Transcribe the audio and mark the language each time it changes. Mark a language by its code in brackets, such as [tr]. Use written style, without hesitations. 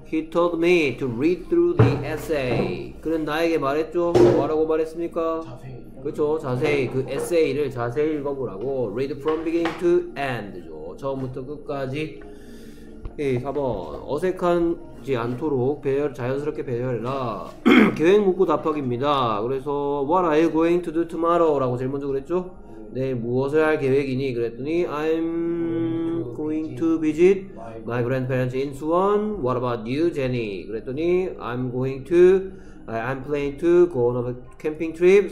[en] He told me to read through the essay. [ko] 그는 나에게 말했죠. 뭐라고 말했습니까? 그렇죠. 자세히 그 에세이를 자세히 읽어보라고. [en] Read from beginning to end죠. [ko] 처음부터 끝까지. 예, 4번 어색하지 않도록 배열 자연스럽게 배열해라. 계획 묻고 답하기입니다. 그래서 [en] What are you going to do tomorrow?라고 [ko] 질문적으로 했죠. 내일 무엇을 할 계획이니? 그랬더니 [en] I'm going to visit my grandparents in Suwon. What about you, Jenny? [ko] 그랬더니 [en] I'm planning to go on a camping trip.